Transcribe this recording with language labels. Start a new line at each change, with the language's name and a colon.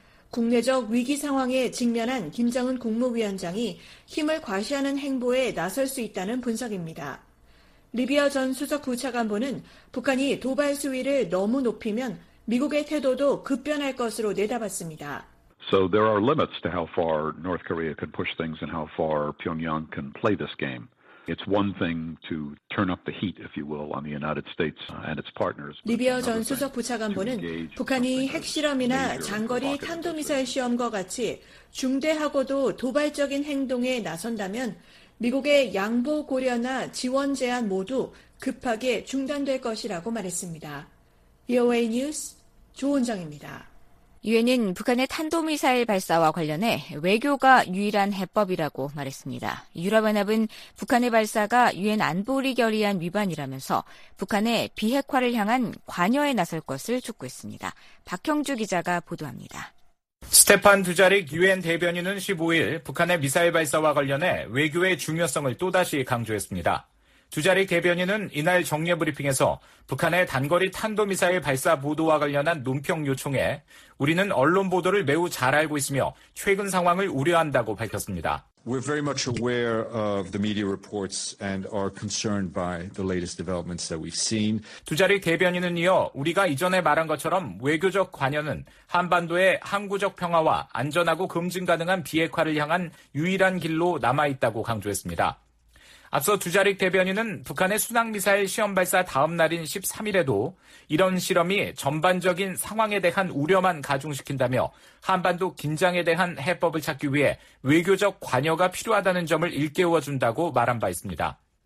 Korean: 국내적 위기 상황에 직면한 김정은 국무위원장이 힘을 과시하는 행보에 나설 수 있다는 분석입니다. 리비아 전 수석 부차관보는 북한이 도발 수위를 너무 높이면 미국의 태도도 급변할 것으로 내다봤습니다.
English: So there are limits to how far North Korea can push things and how far Pyongyang can play this game. It's one thing to turn up the heat, if you will, on the United States and its partners.
Korean: 리비아 전 수석 부차관보는 북한이 핵실험이나 장거리 탄도미사일 시험과 같이 중대하고도 도발적인 행동에 나선다면 미국의 양보 고려나 지원 제한 모두 급하게 중단될 것이라고 말했습니다. VOA 뉴스 조은정입니다. 유엔은 북한의 탄도미사일 발사와 관련해 외교가 유일한 해법이라고 말했습니다. 유럽연합은 북한의 발사가 유엔 안보리 결의안 위반이라면서 북한의 비핵화를 향한 관여에 나설 것을 촉구했습니다. 박형주 기자가 보도합니다. 스테판 두자릭 유엔 대변인은 15일 북한의 미사일 발사와 관련해 외교의 중요성을 또다시 강조했습니다. 두자릭 대변인은 이날 정례 브리핑에서 북한의 단거리 탄도미사일 발사 보도와 관련한 논평 요청에 우리는 언론 보도를 매우 잘 알고 있으며 최근 상황을 우려한다고 밝혔습니다.
English: We're very much aware of the media reports and are concerned by the latest developments that we've seen.
Korean: 두자리 대변인은 이어 우리가 이전에 말한 것처럼 외교적 관여는 한반도의 항구적 평화와 안전하고 검증 가능한 비핵화를 향한 유일한 길로 남아있다고 강조했습니다. 앞서 두자릭 대변인은 북한의 순항미사일 시험 발사 다음 날인 13일에도 이런 실험이 전반적인 상황에 대한 우려만 가중시킨다며 한반도 긴장에 대한 해법을 찾기 위해 외교적 관여가 필요하다는 점을 일깨워준다고 말한 바 있습니다.